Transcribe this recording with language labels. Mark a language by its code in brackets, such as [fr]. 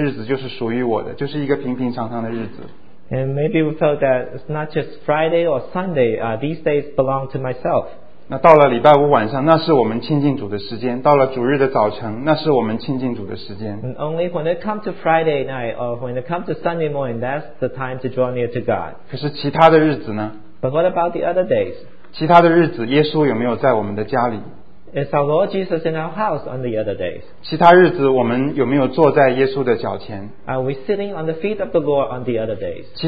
[zh] 不是礼拜五晚上，也许我们就觉得这个日子就是属于我的，就是一个平平常常的日子。 [en] And maybe we felt that it's not just Friday or Sunday, these days belong to myself. [zh] 那到了礼拜五晚上，那是我们亲近主的时间；到了主日的早晨，那是我们亲近主的时间。 [en] And only when it comes to Friday night or when it comes to Sunday morning, that's the time to draw near to God. [zh] 可是其他的日子呢？ [en] But what about the other days? [zh] 其他的日子，耶稣有没有在我们的家里？ [en] Is our Lord Jesus in our house on the other days? [zh] 其他日子我们有没有坐在耶稣的脚前? [en] Are we sitting on the feet of the Lord on the other days?